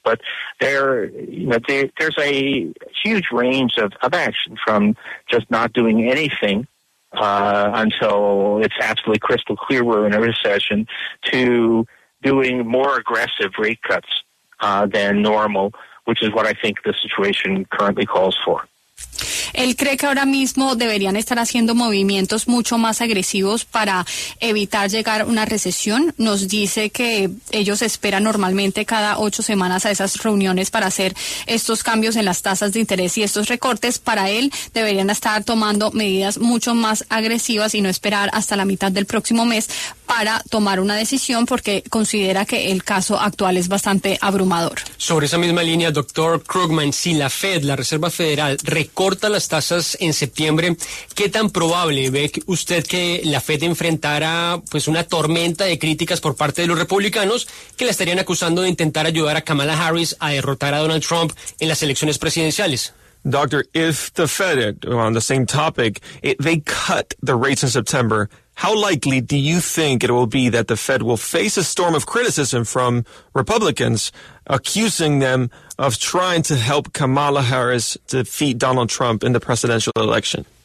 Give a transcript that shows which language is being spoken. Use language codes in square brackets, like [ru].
[en] But there's a huge range of action, from just not doing anything until it's absolutely crystal clear we're in a recession, to doing more aggressive rate cuts than normal, which is what I think the situation currently calls for. [es] Él cree que ahora mismo deberían estar haciendo movimientos mucho más agresivos para evitar llegar a una recesión. Nos dice que ellos esperan normalmente cada 8 semanas a esas reuniones para hacer estos cambios en las tasas de interés y estos recortes. Para él, deberían estar tomando medidas mucho más agresivas y no esperar hasta la mitad del próximo mes para tomar una decisión, porque considera que el caso actual es bastante abrumador. Sobre esa misma línea, doctor Krugman, si la Fed, la Reserva Federal, recorta las tasas en septiembre, ¿qué tan probable ve usted que la Fed enfrentara pues una tormenta de críticas por parte de los republicanos que la estarían acusando de intentar ayudar a Kamala Harris a derrotar a Donald Trump en las elecciones presidenciales? [en] Doctor, if the Fed, on the same topic, they cut the rates in September, how likely do you think it will be that the Fed will face a storm of criticism from Republicans accusing them of trying to help Kamala Harris defeat Donald Trump in the presidential election?